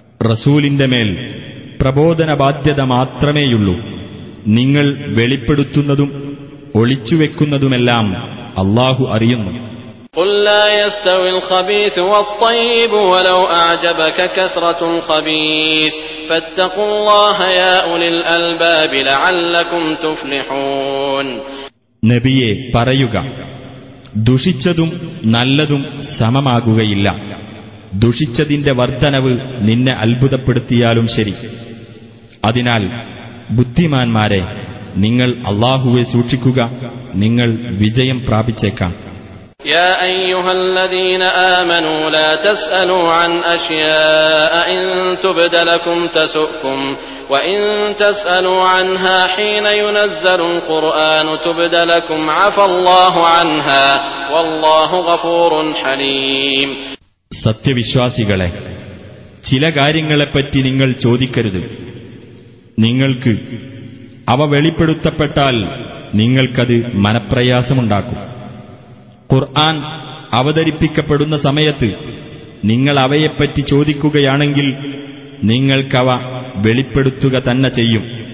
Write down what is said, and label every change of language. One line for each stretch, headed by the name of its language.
Malayalam: റസൂലിന്റെ മേൽ പ്രബോധന ബാധ്യത മാത്രമേയുള്ളൂ. നിങ്ങൾ വെളിപ്പെടുത്തുന്നതും ഒളിച്ചുവെക്കുന്നതുമെല്ലാം അല്ലാഹു അറിയുന്നു.
Arabic: قل لا يستوي الخبيث والطيب ولو أعجبك كثرة الخبيث فاتقوا الله يا أولي الألباب لعلكم تفلحون.
Malayalam: നബിയെ പറയുക, ദുഷിച്ചതും നല്ലതും സമമാകുകയില്ല. ദുഷിച്ചതിന്റെ വർദ്ധനവ് നിന്നെ അത്ഭുതപ്പെടുത്തിയാലും ശരി. അതിനാൽ ബുദ്ധിമാന്മാരെ, നിങ്ങൾ അല്ലാഹുവെ സൂക്ഷിക്കുക, നിങ്ങൾ വിജയം പ്രാപിച്ചേക്കാം.
Arabic: يا ايها الذين امنوا لا تسالوا عن اشياء ان تبد لكم تسؤكم وان تسالوا عنها حين ينزل القران تبد لكم عفا الله عنها والله غفور حليم.
Malayalam: സത്യവിശ്വാസികളെ, ചില കാര്യങ്ങളെ പറ്റി നിങ്ങൾ ചോദിക്കരുത്. നിങ്ങൾക്ക് അവ വെളിപ്പെടുത്തപ്പെട്ടാൽ നിങ്ങൾക്കത് മനപ്രയാസമുണ്ടാക്കും. ഖുർആൻ അവതരിപ്പിക്കപ്പെടുന്ന സമയത്ത് നിങ്ങൾ അവയെപ്പറ്റി ചോദിക്കുകയാണെങ്കിൽ നിങ്ങൾക്കവ വെളിപ്പെടുത്തുക തന്നെ ചെയ്യും.